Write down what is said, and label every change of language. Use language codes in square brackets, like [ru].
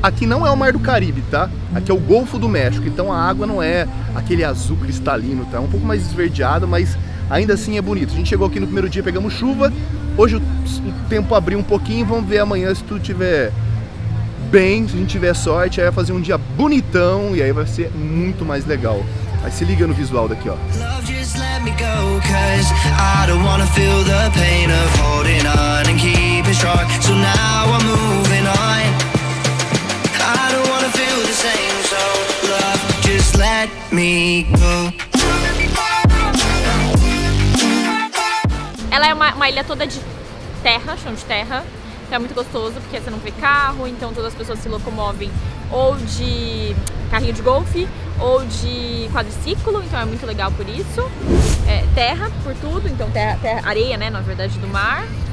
[pt] Aqui não é o Mar do Caribe, tá? Aqui é o Golfo do México, então a água não é aquele azul cristalino, tá? É um pouco mais esverdeado, mas ainda assim é bonito. A gente chegou aqui no primeiro dia, pegamos chuva, hoje o tempo abriu um pouquinho, vamos ver amanhã se tu tiver bem, se a gente tiver sorte, aí vai fazer um dia bonitão e aí vai ser muito mais legal. Aí se liga no visual daqui, ó. [en] Love, just let me go, cause I don't wanna feel the pain of holding on and keeping strong. So now I'm moving on. I don't wanna feel the same, so love, just let me go. [pt] Ela é uma ilha toda de terra, chão de terra. Então é muito gostoso porque você não vê carro, então todas as pessoas se locomovem ou de carrinho de golfe ou de quadriciclo, então é muito legal por isso. É terra por tudo, então terra, areia, né, na verdade, do mar.